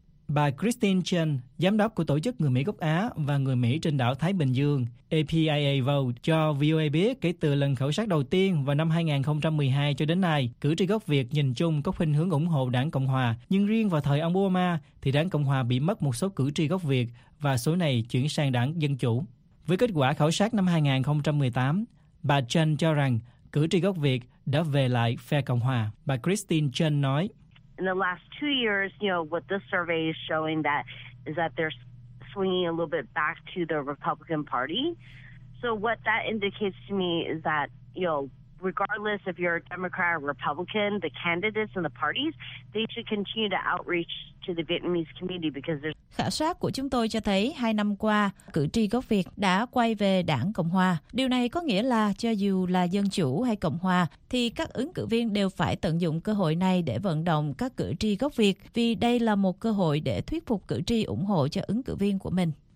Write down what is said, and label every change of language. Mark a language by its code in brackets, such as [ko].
[vi] Bà Christine Chen, giám đốc của Tổ chức Người Mỹ gốc Á và Người Mỹ trên đảo Thái Bình Dương, APIA Vote, cho VOA biết kể từ lần khảo sát đầu tiên vào năm 2012 cho đến nay, cử tri gốc Việt nhìn chung có khuynh hướng ủng hộ đảng Cộng Hòa. Nhưng riêng vào thời ông Obama, thì đảng Cộng Hòa bị mất một số cử tri gốc Việt và số này chuyển sang đảng Dân Chủ. Với kết quả khảo sát năm 2018, bà Chen cho rằng cử tri gốc Việt đã về lại phe Cộng Hòa. Bà Christine Chen nói, [en] in the last 2 years, you know, what this survey is showing that is that they're swinging a little bit back to the Republican Party. So what that indicates to me is that, you know, regardless if you're a Democrat or Republican, the candidates and the parties, they should continue to outreach to the Vietnamese community because there's... [vi] Khảo sát của chúng tôi cho thấy 2 năm qua, cử tri gốc Việt đã quay về đảng Cộng Hòa. Điều này có nghĩa là cho dù là Dân Chủ hay Cộng Hòa, thì các ứng cử viên đều phải tận dụng cơ hội này để vận động các cử tri gốc Việt, vì đây là một cơ hội để thuyết phục cử tri ủng hộ cho ứng cử viên của mình.